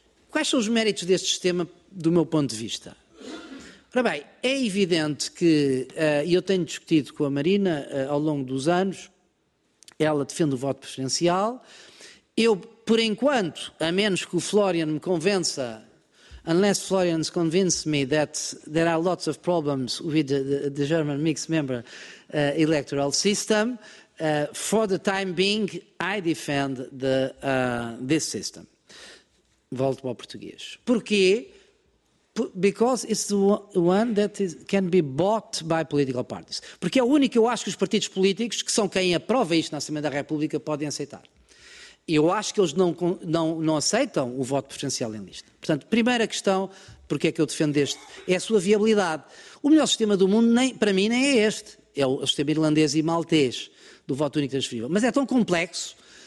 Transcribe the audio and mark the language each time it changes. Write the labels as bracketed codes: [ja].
[pt] Quais são os méritos deste sistema, do meu ponto de vista? Ora bem, é evidente que, e eu tenho discutido com a Marina ao longo dos anos, ela defende o voto preferencial, eu, por enquanto, a menos que o Florian me convença... [en] Unless Florian convinces me that there are lots of problems with the German mixed member electoral system, for the time being, I defend this system. [pt] Volto ao português. Porquê? [en] Because it's the one that can be bought by political parties. [pt] Porque é o único que eu acho que os partidos políticos, que são quem aprova isto na Assembleia da República, podem aceitar. Eu acho que eles não aceitam o voto preferencial em lista. Portanto, primeira questão, porque é que eu defendo este, é a sua viabilidade. O melhor sistema do mundo, nem, para mim, nem é este. É o sistema irlandês e maltês do voto único transferível. Mas é tão complexo